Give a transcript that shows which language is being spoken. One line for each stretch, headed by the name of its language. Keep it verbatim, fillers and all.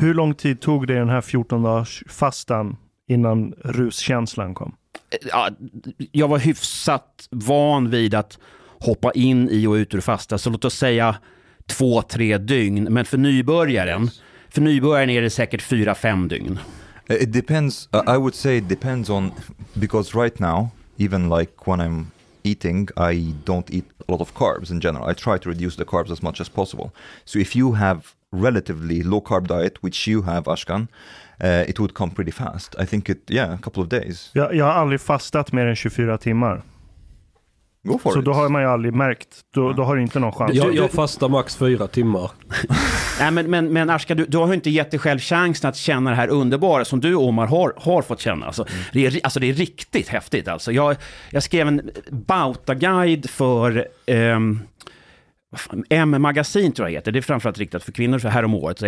Swedish: Hur lång tid tog det den här fjorton dagars fastan innan ruskänslan kom? Ja, jag var hyfsat van vid att hoppa in i och ut ur fasta. Så låt oss säga två, tre dygn. Men för nybörjaren, för nybörjaren är det säkert fyra, fem dygn.
English: It depends, uh, I would say it depends on, because right now, even like when I'm eating, I don't eat a lot of carbs in general. I try to reduce the carbs as much as possible. So if you have relatively low carb diet, which you have, Ashkan, uh, it would come pretty fast. I think it, yeah, a couple of days.
Swedish: Jag, jag har aldrig fastat mer än tjugofyra timmar. Så
English: it.
Swedish: Då har man ju aldrig märkt. Då, då har du inte någon chans. Jag, jag fastar max fyra timmar. Nej, men, men, men Ashkan, du, du har ju inte gett dig själv chansen att känna det här underbara som du, Omar, har, har fått känna. Alltså, mm. det, är, alltså, det är riktigt häftigt. Alltså. Jag, jag skrev en bautaguide för ehm, M-magasin, tror jag heter. Det är framförallt riktat för kvinnor så här om året.